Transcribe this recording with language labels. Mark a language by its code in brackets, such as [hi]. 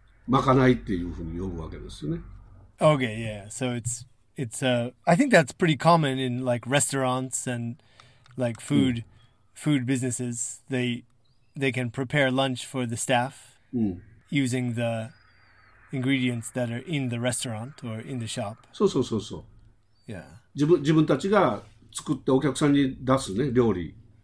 [ja] まかないっていうふうに呼ぶわけですよね。 [en] Okay, yeah. So it's I think that's pretty common in like restaurants and like food. Food businesses, they can prepare lunch for the staff using the ingredients that are in the restaurant or in the shop. [ja] そうそうそうそう。 [en] Yeah. [ja] 自分たちが作ってお客さんに出すね、料理。